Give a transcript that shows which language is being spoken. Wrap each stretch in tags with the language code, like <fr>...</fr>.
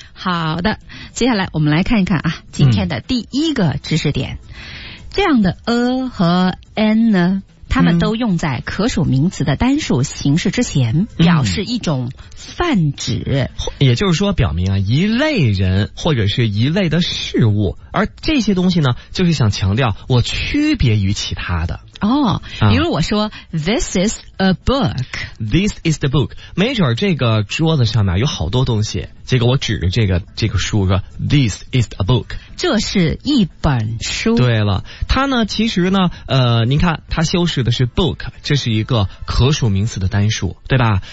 <zh>好的，接下来我们来看一看啊，今天的第一个知识点，这样的和 n 呢，它们都用在可数名词的单数形式之前，表示一种泛指。也就是说，表明啊一类人或者是一类的事物，而这些东西呢，就是想强调我区别于其他的。哦，比如我说、</zh> <en>This is a book. This is the book.</en> <zh>没准这个桌子上面有好多东西，结果我指着这个书说</zh> <en>This is a book.</en> <zh>这是一本书。对了，它呢其实呢您看它修饰的是 book， 这是一个可数名词的单数，对吧？</zh>